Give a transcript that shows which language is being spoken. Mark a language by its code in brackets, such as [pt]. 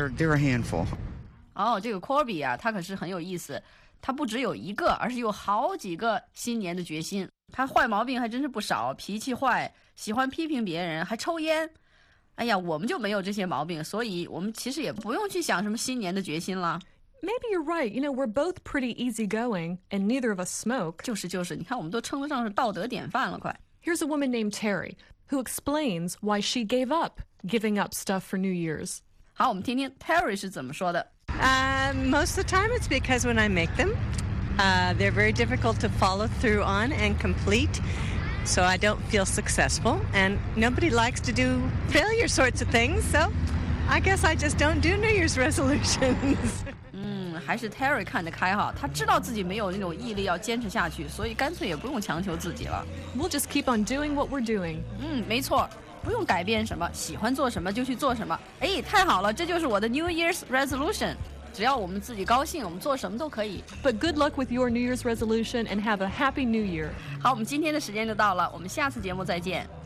[en] They're a handful. [zh] 哦，这个 Corby 啊，他可是很有意思，他不只有一个，而是有好几个新年的决心。他坏毛病还真是不少，脾气坏，喜欢批评别人，还抽烟。哎呀，我们就没有这些毛病，所以我们其实也不用去想什么新年的决心了。 [en] Maybe you're right. You know, we're both pretty easygoing, and neither of us smoke. [zh] 就是就是，你看我们都称得上是道德典范了，快。 [en] Here's a woman named Terry, who explains why she gave up giving up stuff for New Year's. [zh] 好，我们听听 Terry 是怎么说的。 [en] Most of the time it's because when I make them,they're very difficult to follow through on and complete, so I don't feel successful, and nobody likes to do failure sorts of things, so I guess I just don't do New Year's resolutions. [zh] 还是 Terry 看得开哈，他知道自己没有那种毅力要坚持下去，所以干脆也不用强求自己了。 [en] We'll just keep on doing what we're doing. [zh] 没错，不用改变什么，喜欢做什么就去做什么。哎，太好了，这就是我的 New Year's resolution. 只要我们自己高兴，我们做什么都可以。 [en] But good luck with your New Year's resolution and have a happy New Year. [zh] 好，我们今天的时间就到了，我们下次节目再见。